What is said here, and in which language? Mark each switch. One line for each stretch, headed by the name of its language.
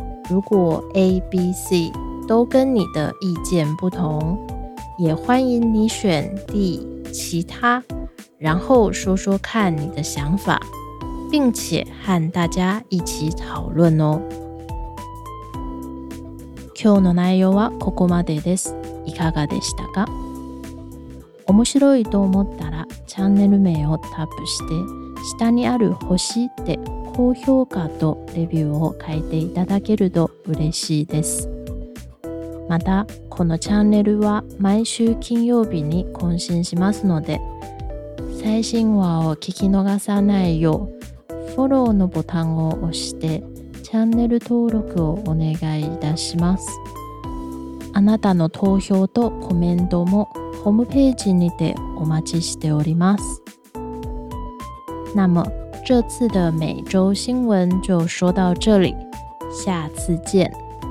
Chinese: 如果 A、B、C 都跟你的意见不同，也欢迎你选 D 其他，然后说说看你的想法。并且和大家一起讨论哦。
Japanese: 今日の内容はここまでです。いかがでしたか？面白いと思ったらチャンネル名をタップして下にある星で高評価とレビューを書いていただけると嬉しいです。またこのチャンネルは毎週金曜日に更新しますので最新話を聞き逃さないようフォローのボタンを押してチャンネル登録をお願いいたします。あなたの投票とコメントもホームページにてお待ちしております。
Chinese: 那么这次的每周新闻就说到这里，下次见。